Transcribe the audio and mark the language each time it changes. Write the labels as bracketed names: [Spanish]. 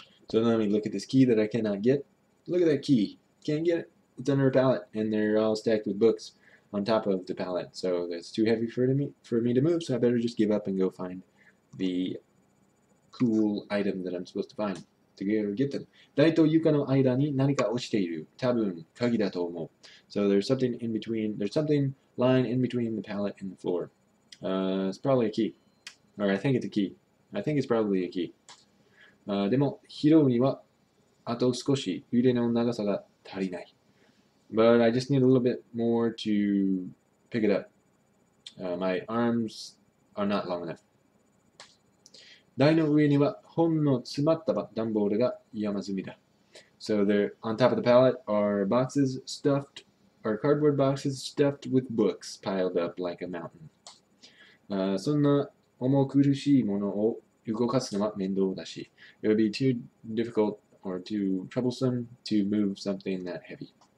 [English] So let me look at this key that I cannot get. Look at that key. Can't get it. It's under a pallet, and they're all stacked with books on top of the pallet. So it's too heavy for me to move, so I better just give up and go find the cool item that I'm supposed to find to get them. [Japanese] 台と床の間に何か落ちている。多分、鍵だと思う。 [English] So there's something in between. There's something lying in between the pallet and the floor. It's probably a key. Or I think it's a key. I think it's probably a key. [Japanese] でも拾うにはあと少し腕の長さが足りない。 [English] But I just need a little bit more to pick it up. My arms are not long enough. [Japanese] 台の上には本の詰まった段ボールが山積みだ。 [English] So there on top of the pallet are boxes stuffed, or cardboard boxes stuffed with books piled up like a mountain. [Japanese] そんな重苦しいものを動かすのは面倒だし、 [English] It would be too difficult or too troublesome to move something that heavy.